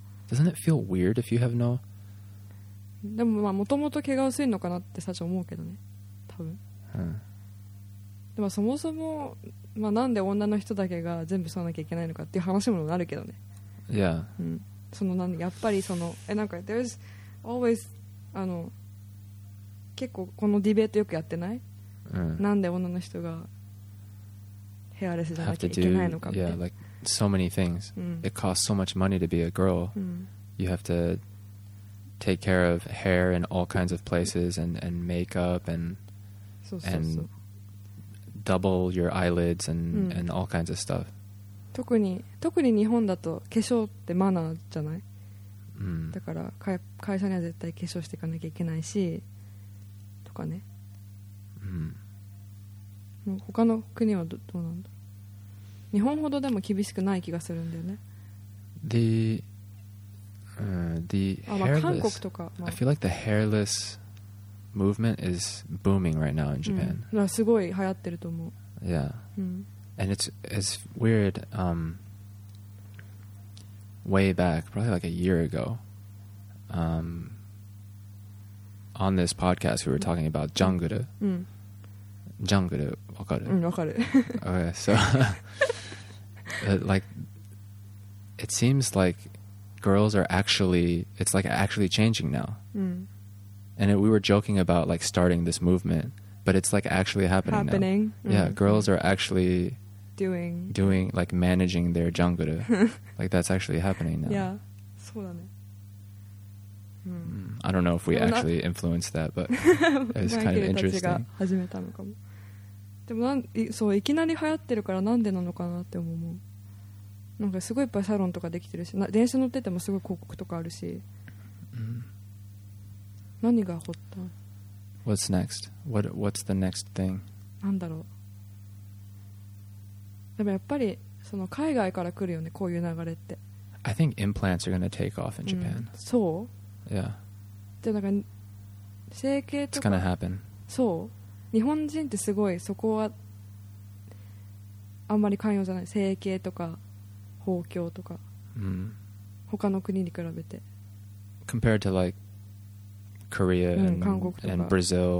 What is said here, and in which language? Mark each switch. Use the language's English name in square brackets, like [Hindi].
[English] Doesn't it feel weird if you have no? [Japanese] でもまあ元々毛が薄いのかなって最初思うけどね。多分。でもそもそも、まあ、なんで女の人だけが全部剃らなきゃいけないのかっていう話もなるけどね。 [English] Yeah. [Japanese] うん、そのなんやっぱりそのえなんか [English] there's always [Japanese] 結構このディベートよくやってない？ Mm. なんで女の人がヘアレスじゃなきゃいけないのかって。 [English] Yeah, like so many things.、 [Japanese] うん、 [English] It costs so much money to be a girl.、 [Japanese] うん、 [English] you have to take care of hair in all kinds of places and makeup and [Japanese] そうそうそう。 [English] And double your eyelids and,、うん、and all kinds of stuff. [Japanese] 特に日本だと化粧ってマナーじゃない、うん、だから会社には絶対化粧していかなきゃいけないしとかね、うん、他の国は どうなんだ。日本ほどでも厳しくない気がするんだよね。 [English] the hairless、 [Japanese] まあ、韓国とか、まあ、 [English] I feel like the hairlessMovement is booming right now in Japan.、 [Japanese] うん、すごい流行ってると思う。 [English] Yeah.、 [Japanese] うん、 [English] And it's weird. Way back, probably like a year ago, on this podcast, we were talking about Jungkook. [Japanese] Jungkook, わかる。うん、わかる。 [English] Okay, so like, it seems like girls are actually it's like actually changing now.、 [Japanese] うん [English] And we were joking about like starting this movement, but it's like actually happening. Happening. Now. Yeah,、mm-hmm. girls are actually doing like managing their jungkook. Like that's actually happening now. [Japanese] Yeah, そうだね。 [English] I don't know if we actually influenced that, but it's kind of interesting. [Japanese] マイケルたちが始めたのかも。でもなん、そういきなり流行ってるからなんでなのかなって思う。なんかすごいいっぱいサロンとかできてるし、電車乗っててもすごい広告とかあるし。何が起こった？ [English] What's next? What's the next thing? [Japanese] 何だろう。でもやっぱりその海外から来るよね、こういう流れって。 [English] I think implants are going to take off in Japan.、 [Japanese] うん、そう？ [English] Yeah. [Japanese] じゃあなんか整形とか。 [English] It's going to happen. [Japanese] そう？日本人ってすごいそこはあんまり寛容じゃない。整形とか包茎とか、うん、他の国に比べて。 [English] Compared to like Korea and Brazil、